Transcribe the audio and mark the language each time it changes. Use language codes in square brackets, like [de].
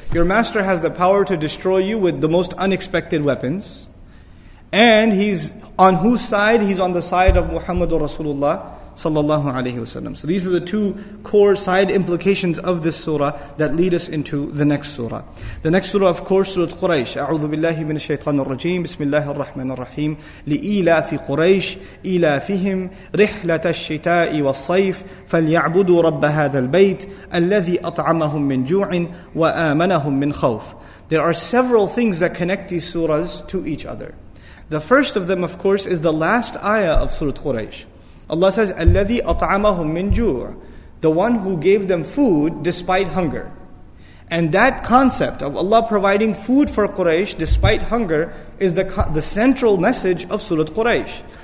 [en] Your master has the power to destroy you with the most unexpected weapons. And He's on whose side? He's on the side of Muhammadur Rasulullah sallallahu alayhi wasallam. So these are the two core side implications of this surah that lead us into the next surah. The next surah, of course, Surah Quraish. [ar] أعوذ بالله من الشيطان الرجيم بسم الله الرحمن الرحيم لإيلاف قريش إيلافهم رحلة الشتاء والصيف فليعبدوا رب هذا البيت الذي أطعمهم من جوع وآمنهم من خوف. [en] There are several things that connect these surahs to each other. The first of them, of course, is the last ayah of Surah Quraish. Allah says, [ar] "Alladhi at'amahum min ju'," [en] the one who gave them food despite hunger. And that concept of Allah providing food for Quraysh despite hunger is the central message of Surah Quraysh.